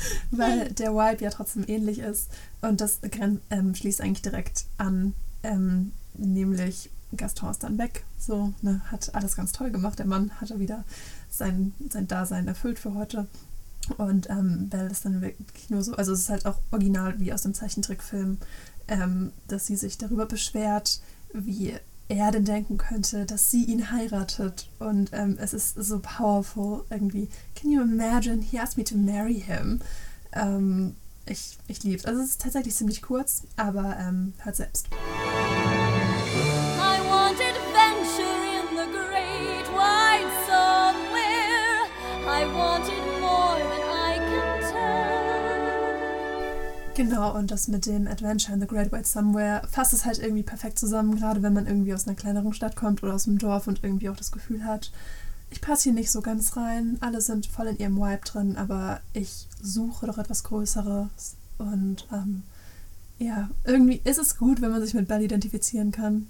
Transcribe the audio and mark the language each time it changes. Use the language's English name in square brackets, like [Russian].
[German] Weil der Vibe ja trotzdem ähnlich ist und das schließt eigentlich direkt an, nämlich Gaston ist dann weg, so, ne, hat alles ganz toll gemacht, der Mann hat ja wieder sein Dasein erfüllt für heute und Belle ist dann wirklich nur so, also es ist halt auch original wie aus dem Zeichentrickfilm, dass sie sich darüber beschwert, wie er denn denken könnte, dass sie ihn heiratet und es ist so powerful irgendwie. [English] Can you imagine? He asked me to marry him. [German] Ich liebe es. Also es ist tatsächlich ziemlich kurz, aber hört selbst. [English] I want adventure in the great wide somewhere. I want it more than I can tell. [German] Genau, und das mit dem [English] Adventure in the Great White Somewhere [German] fasst es halt irgendwie perfekt zusammen, gerade wenn man irgendwie aus einer kleineren Stadt kommt oder aus einem Dorf und irgendwie auch das Gefühl hat, ich passe hier nicht so ganz rein. Alle sind voll in ihrem Vibe drin, aber ich suche doch etwas Größeres. Und ja, irgendwie ist es gut, wenn man sich mit Belle identifizieren kann.